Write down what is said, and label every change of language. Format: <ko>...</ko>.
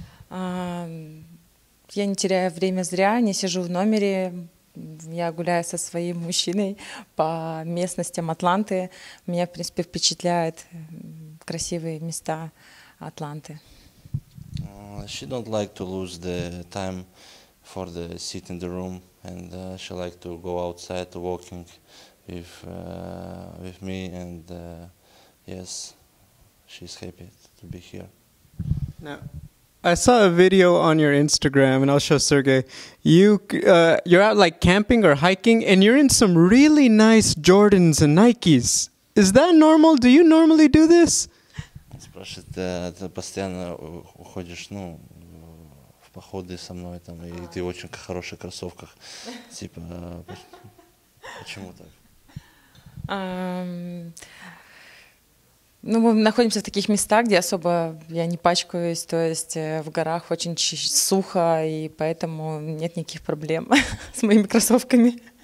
<ru>Я не теряю время зря, не сижу в номере, я гуляю со своим мужчиной по местностям Атланты. Меня, в принципе, впечатляют красивые места Атланты.</ru> <en>She don't like to lose the time for the sit in the room, and she like to go outside to walking with me, and yes, she's happy to be here. No. I saw a video on your Instagram, and I'll show Sergey. You're out like camping or hiking, and you're in some really nice Jordans and Nikes. Is that normal? Do you normally do this?</en> <ru>Спрашивает, ты постоянно уходишь, ну, в походы со мной там, и ты очень хороших кроссовках, типа. Почему так? Ну, мы находимся в таких местах, где особо я не пачкаюсь, то есть в горах очень сухо, и поэтому нет никаких проблем с моими кроссовками.</ru>